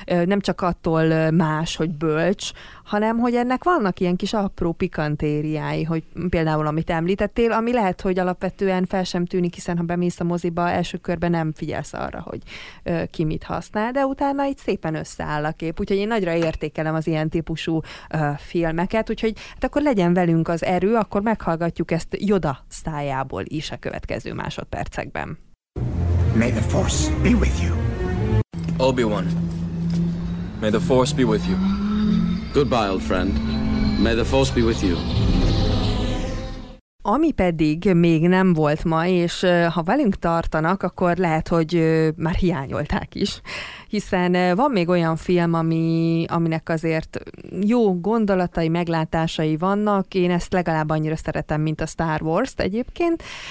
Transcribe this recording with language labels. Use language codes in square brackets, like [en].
[hu] nem csak attól más, hogy bölcs, hanem hogy ennek vannak ilyen kis apró pikantériái, hogy például amit említettél, ami lehet, hogy alapvetően fel sem tűnik, hiszen ha bemész a moziba, első körben nem figyelsz arra, hogy ki mit használ, de utána itt szépen összeáll a kép. Úgyhogy én nagyra értékelem az ilyen típusú filmeket, úgyhogy hát akkor legyen velünk az erő, akkor meghallgatjuk ezt Yoda szájából is a következő másodpercekben. [en] May the Force be with you. Obi-Wan, may the Force be with you. Goodbye, old friend. May the Force be with you. [hu] Ami pedig még nem volt ma, és ha velünk tartanak, akkor lehet, hogy már hiányolták is. Hiszen van még olyan film, aminek azért jó gondolatai, meglátásai vannak. Én ezt legalább annyira szeretem, mint a Star Wars-t egyébként.